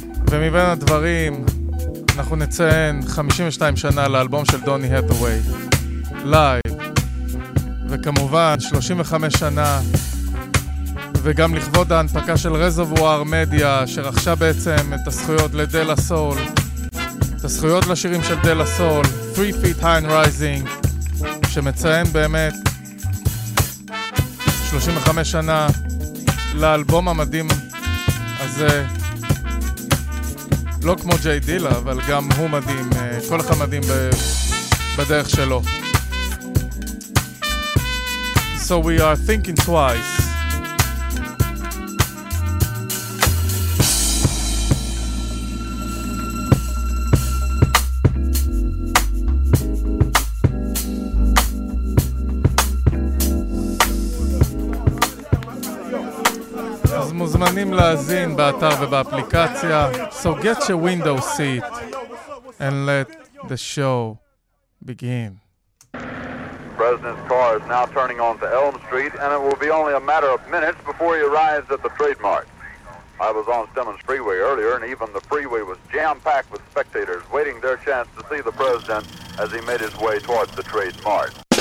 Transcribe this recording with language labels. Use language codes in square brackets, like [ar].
[he] ומבין הדברים אנחנו נציין 52 שנה לאלבום של דוני הת'אווי לייב, וכמובן 35 שנה וגם לכבוד ההנפקה של רזרבואר מדיה, שרכשה בעצם את הזכויות לדלה סול, את הזכויות לשירים של דלה סול, 3 Feet High and Rising, שמציין באמת 35 שנה לאלבום המדהים הזה. לא כמו ג'יי דילה, אבל גם הוא מדהים, כל אחד מדהים בדרך שלו. [en] So we are thinking twice. [he] מוזמנים להזין באתר ובאפליקציה. [en] So get your window seat and let the show begin. President's car is now turning onto Elm Street and it will be only a matter of minutes before he arrives at the trademark. I was on Simmons Freeway earlier and even the freeway was jam-packed with spectators waiting their chance to see the president as he made his way towards the trademark.